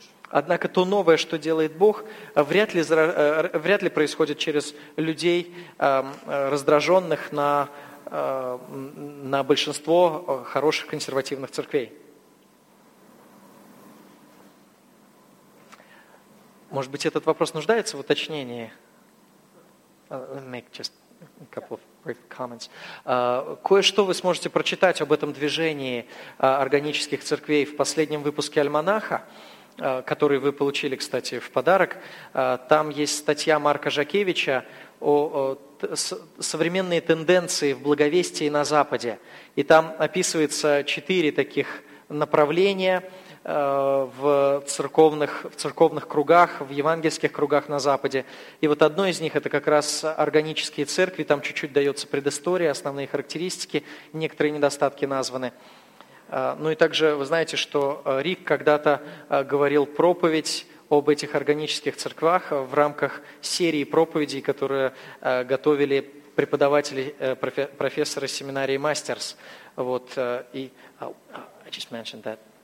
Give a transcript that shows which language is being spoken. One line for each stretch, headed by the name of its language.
Russian: Однако то новое, что делает Бог, вряд ли происходит через людей, раздраженных на большинство хороших консервативных церквей. Может быть, этот вопрос нуждается в уточнении?
English: A couple of brief comments.
Russian: Кое-что вы сможете прочитать об этом движении органических церквей в последнем выпуске «Альманаха», который вы получили, кстати, в подарок. Там есть статья Марка Жакевича о современные тенденции в благовестии на Западе. И там описывается 4 таких направления в церковных кругах, в евангельских кругах на Западе. И вот одно из них – это как раз органические церкви. Там чуть-чуть дается предыстория, основные характеристики, некоторые недостатки названы. Ну и также вы знаете, что Рик когда-то говорил проповедь об этих органических церквах в рамках серии проповедей, которые готовили преподаватели, профессоры семинарии «Мастерс». Вот, и
English: I just mentioned that.